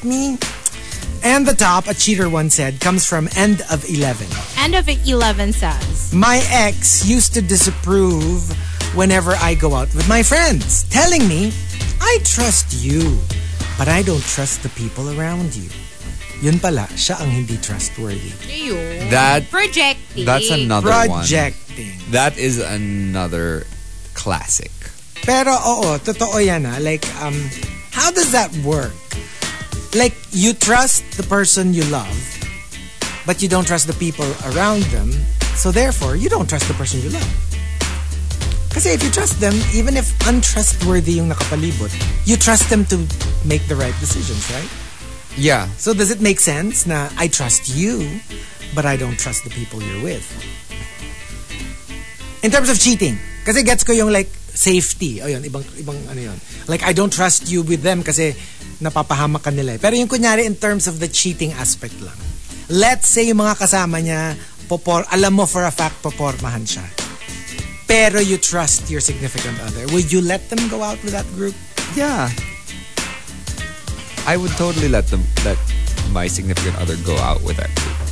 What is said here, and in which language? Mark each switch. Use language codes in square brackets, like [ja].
[en] me? Don't you trust me? And the top, a cheater one said, comes from End of 11. End of 11 says, my ex used to disapprove whenever I go out with my friends, telling me, I trust you, but I don't trust the people around you. [tl] Yun pala, siya ang hindi trustworthy. [en] That, projecting. That's another projecting. One. Projecting. That is another classic. [tl] Pero oo, totoo yan ha. [en] Like, how does that work? Like, you trust the person you love, but you don't trust the people around them, so therefore, you don't trust the person you love. Kasi if you trust them, even if untrustworthy [tl] yung nakapalibot, [en] you trust them to make the right decisions, right? Yeah. So does it make sense na I trust you, but I don't trust the people you're with? In terms of cheating, [tl] kasi gets ko yung like, safety. Ayun, ibang ano yun. [en] Like, I don't trust you with them [tl] kasi napapahamak ka nila eh. Pero yung kunyari [en] in terms of the cheating aspect lang. Let's say [tl] yung mga kasama niya, alam mo for a fact, popormahan siya. [en] Pero you trust your significant other. Would you let them go out with that group? Yeah. I would totally let them, let my significant other go out with that group.